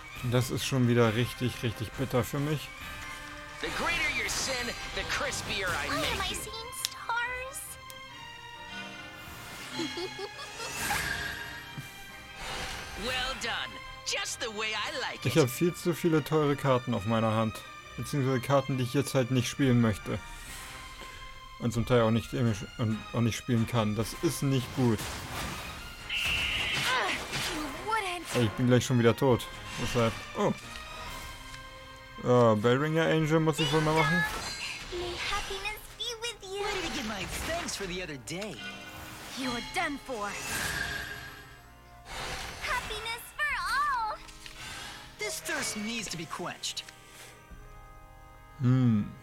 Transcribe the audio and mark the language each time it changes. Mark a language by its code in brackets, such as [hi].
[de] Das ist schon wieder richtig, richtig bitter für mich. [en] The greater your sin, the crispier I make. Oh, am I seeing stars? Well done. Just the way I like it. [de] Ich habe viel zu viele teure Karten auf meiner Hand. Beziehungsweise Karten, die ich jetzt halt nicht spielen möchte. Und zum Teil auch nicht spielen kann. Das ist nicht gut. Ey, ich bin gleich schon wieder tot. Deshalb. Oh. Oh, Bellringer Angel muss ich wohl mal machen. [en] May happiness be with you. Ready to give my thanks for the other day. You're done for. Happiness for all. This thirst needs to be quenched. Hmm.